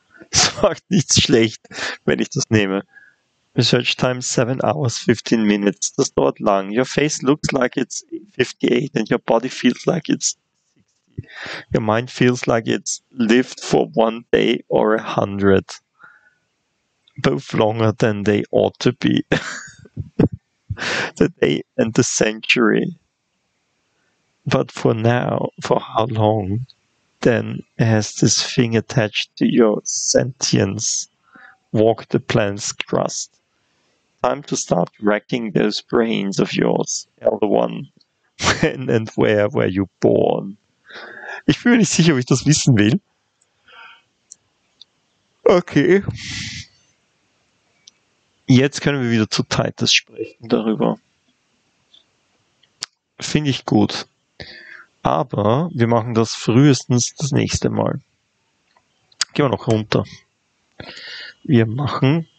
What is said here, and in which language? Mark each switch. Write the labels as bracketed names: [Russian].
[German] Es macht nichts schlecht, wenn ich das nehme. [English] Research time 7 hours 15 minutes. [German] Das dauert lang. [English] Your face looks like it's 58 and your body feels like it's 60. Your mind feels like it's lived for one day or 100. Both longer than they ought to be. The day and the century. But for now, for how long then has this thing attached to your sentience walked the planet's crust? Time to start racking those brains of yours, Elder One. When and where were you born? [German] Ich bin mir nicht sicher, ob ich das wissen will. [English] Okay. [German] Jetzt können wir wieder zu Titus sprechen darüber. Finde ich gut. Aber wir machen das frühestens das nächste Mal. Gehen wir noch runter. Wir machen.